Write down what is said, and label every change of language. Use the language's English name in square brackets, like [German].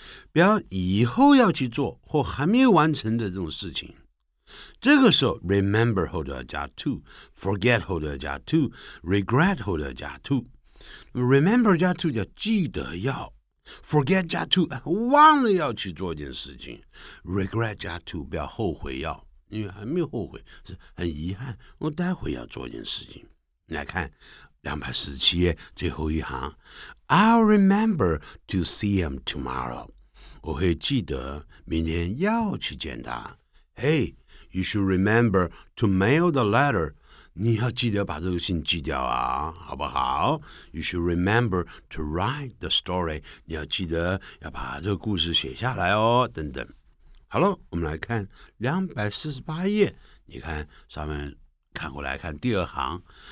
[Chinese] 表以后要去做或还没有完成的这种事情这个时候 remember 后头要加 to forget 后头要加 to regret 后头要加 to remember 加 to 叫记得要 forget 加 to 忘了要去做一件事情 regret 加 to 不要后悔要因为还没有后悔是很遗憾我待会要做一件事情来看 217页最后一行 [English] I'll remember to see him tomorrow. [Chinese] 我会记得明天要去见他。 [English] Hey, you should remember to mail the letter. [Chinese] 你要记得把这个信寄掉啊，好不好？ [English] You should remember to write the story. [Chinese] 你要记得要把这个故事写下来哦，等等。好了，我们来看248页。你看上面看过来看第二行。